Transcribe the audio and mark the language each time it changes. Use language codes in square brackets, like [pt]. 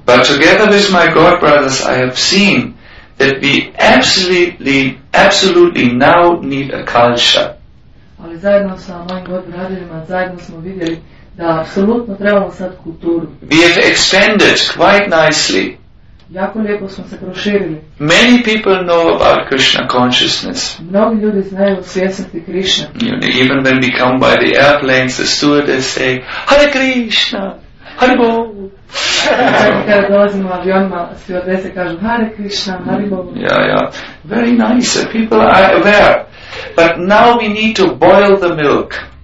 [en] But together with my God brothers I have seen that we absolutely now need a culture. [hr] Ali zajedno sa mojim God brothersima zajedno smo vidjeli da apsolutno trebamo sad kulturu. [en] We have expanded quite nicely. [hr] Jako lijepo smo se proširili. [en] Many people know about Krishna consciousness. [hr] Mnogi ljudi znaju o svjesnosti Krishna. [en] Even when we come by the airplanes, the stewardess say, Hare Krishna, Hare Bogu. [hr] Kada dolazimo avionima, stewardesse kažu, Hare Krishna, Hare Bogu. [en] Yeah, yeah. Very nice. People are aware. But now we need to boil the milk.